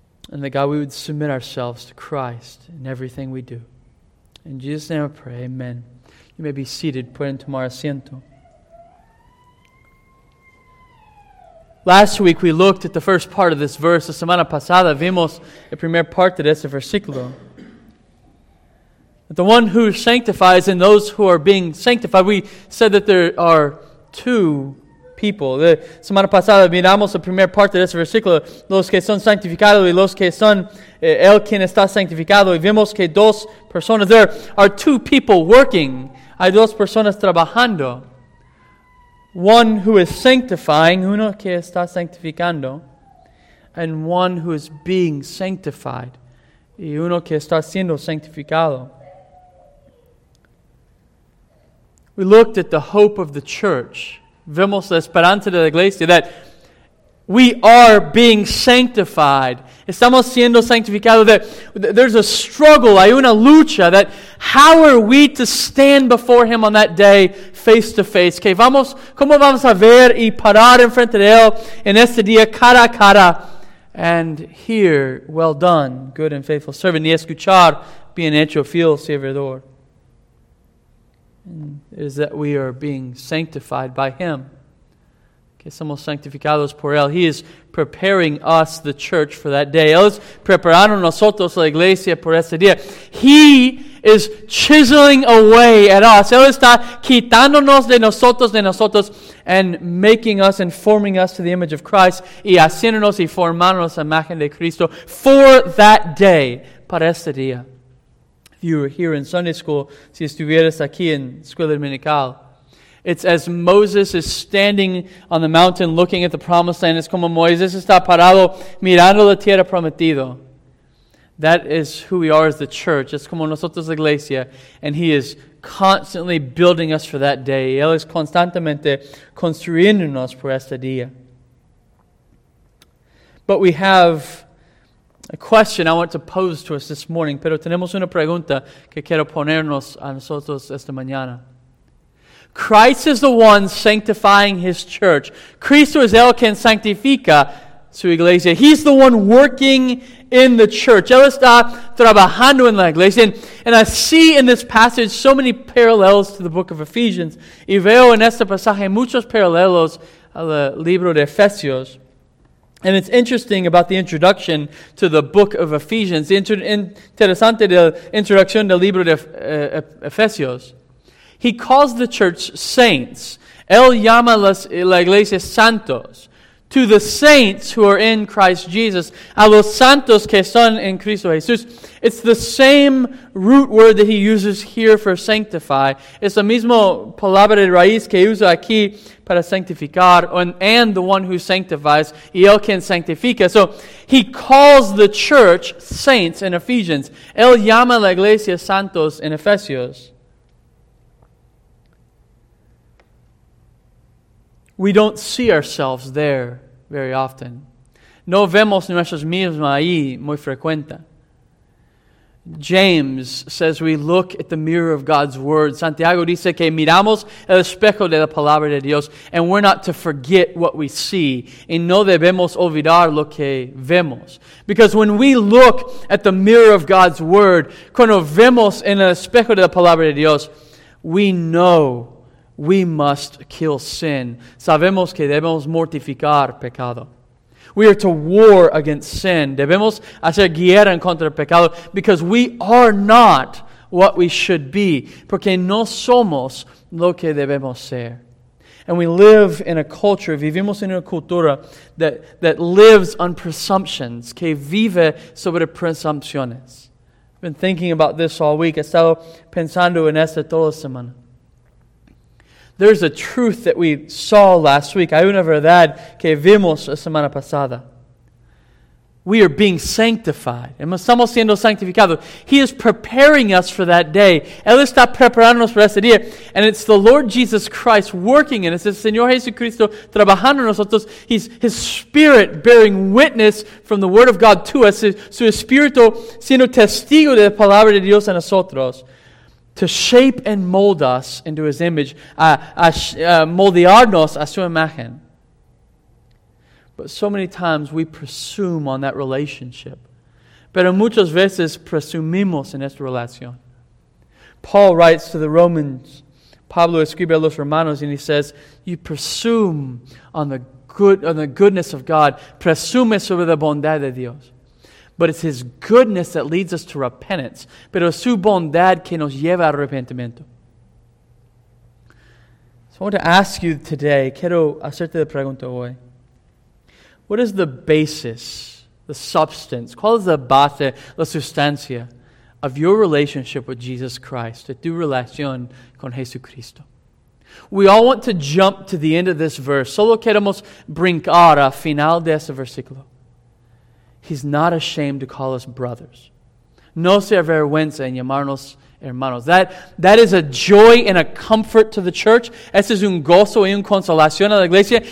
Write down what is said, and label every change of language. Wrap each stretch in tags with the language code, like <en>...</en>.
<en>And that God, we would submit ourselves to Christ in everything we do. In Jesus' name I pray, amen. You may be seated.</en> <es>Pueden tomar asiento.</es> <en>Last week we looked at the first part of this verse.</en> <es>La semana pasada vimos la primera parte de ese versículo.</es> <en>The one who sanctifies and those who are being sanctified. We said that there are two people.</en> <es>La semana pasada miramos la primera parte de ese versículo. Los que son sanctificados y los que son el quien está sanctificado. Y vimos que dos personas.</es> <en>There are two people working.</en> <es>Hay dos personas trabajando.</es> <en>One who is sanctifying,</en> <es>uno que está sanctificando,</es> <en>and one who is being sanctified,</en> <es>y uno que está siendo sanctificado.</es> <en>We looked at the hope of the church.</en> <es>Vemos la esperanza de la iglesia,</es> <en>that we are being sanctified.</en> <es>Estamos siendo sanctificados.</es> <en>There's a struggle,</en> <es>hay una lucha,</es> <en>that how are we to stand before Him on that day face to face?</en> <es>Que vamos, ¿cómo vamos a ver y parar en frente de Él en este día cara a cara?</es> <en>And hear, well done, good and faithful servant,</en> <es>y escuchar, bien hecho, fiel servidor.</es> <en>It is that we are being sanctified by Him.</en> <es>Que somos sanctificados por Él.</es> <en>He is preparing us, the church, for that day.</en> <es>Él es preparando nosotros, la iglesia, por ese día.</es> <en>He is chiseling away at us.</en> <es>Él está quitándonos de nosotros,</es> <en>and making us and forming us to the image of Christ,</en> <es>y haciéndonos y formándonos a imagen de Cristo</es> <en>for that day,</en> <es>para ese día.</es> <en>If you were here in Sunday school,</en> <es>si estuvieras aquí en escuela dominical,</es> <en>it's as Moses is standing on the mountain looking at the promised land. It's</en> <es>como Moisés está parado mirando la tierra prometida.</es> <en>That is who we are as the church.</en> <es>Es como nosotros la iglesia.</es> <en>And He is constantly building us for that day.</en> <es>Él es constantemente construyéndonos por este día.</es> <en>But we have a question I want to pose to us this morning.</en> <es>Pero tenemos una pregunta que quiero ponernos a nosotros esta mañana.</es> <en>Christ is the one sanctifying His church.</en> <es>Cristo es el quien sanctifica su iglesia.</es> <en>He's the one working in the church.</en> <es>Él está trabajando en la iglesia.</es> <en>And I see in this passage so many parallels to the book of Ephesians.</en> <es>Y veo en este pasaje muchos paralelos al libro de Efesios.</es> <en>And it's interesting about the introduction to the book of Ephesians.</en> <es>Interesante de la introducción del libro de Efesios.</es> <en>He calls the church saints.</en> <es>Él llama la iglesia santos.</es> <en>To the saints who are in Christ Jesus.</en> <es>A los santos que son en Cristo Jesús.</es> <en>It's the same root word that he uses here for sanctify.</en> <es>Es la misma palabra de raíz que usa aquí para sanctificar.</es> <en>And the one who sanctifies.</en> <es>Y él quien sanctifica.</es> <en>So he calls the church saints in Ephesians.</en> <es>Él llama la iglesia santos in Ephesios.</es> <en>We don't see ourselves there very often.</en> <es>No vemos nuestros mismos ahí muy frecuente.</es> <en>James says we look at the mirror of God's word.</en> <es>Santiago dice que miramos el espejo de la palabra de Dios,</es> <en>and we're not to forget what we see.</en> <es>Y no debemos olvidar lo que vemos.</es> <en>Because when we look at the mirror of God's word,</en> <es>cuando vemos en el espejo de la palabra de Dios,</es> <en>we know we must kill sin.</en> <es>Sabemos que debemos mortificar pecado.</es> <en>We are to war against sin.</en> <es>Debemos hacer guerra en contra del pecado.</es> <en>Because we are not what we should be.</en> <es>Porque no somos lo que debemos ser.</es> <en>And we live in a culture,</en> <es>vivimos en una cultura</es> <en>that lives on presumptions.</en> <es>Que vive sobre presunciones.</es> <en>I've been thinking about this all week.</en> <es>He estado pensando en esto toda semana.</es> <en>There's a truth that we saw last week.</en> <es>Hay una verdad que vimos la semana pasada.</es> <en>We are being sanctified.</en> <es>Estamos siendo sanctificados.</es> <en>He is preparing us for that day.</en> <es>Él está preparándonos para ese día.</es> <en>And it's the Lord Jesus Christ working in us.</en> <es>It's Señor Jesucristo trabajando en nosotros.</es> <en>He's His Spirit bearing witness from the Word of God to us.</en> <es>Su Espíritu siendo testigo de la Palabra de Dios en nosotros.</es> <en>To shape and mold us into His image.</en> <es>Moldearnos a su imagen.</es> <en>But so many times we presume on that relationship.</en> <es>Pero muchas veces presumimos en esta relación.</es> <en>Paul writes to the Romans.</en> <es>Pablo escribe a los Romanos</es> <en>and he says, you presume on the goodness of God.</en> <es>Presume sobre la bondad de Dios.</es> <en>But it's His goodness that leads us to repentance.</en> <es>Pero es su bondad que nos lleva al arrepentimiento.</es> <en>So I want to ask you today,</en> <es>quiero hacerte la pregunta hoy.</es> <en>What is the basis, the substance,</en> <es>cuál es la base, la sustancia</es> <en>of your relationship with Jesus Christ,</en> <es>de tu relación con Jesucristo?</es> <en>We all want to jump to the end of this verse.</en> <es>Solo queremos brincar al final de ese versículo.</es> <en>He's not ashamed to call us brothers.</en> <es>No se avergüenza en llamarnos hermanos.</es> <en>That is a joy and a comfort to the church.</en> <es>Ese es un gozo y un consolación a la iglesia.</es>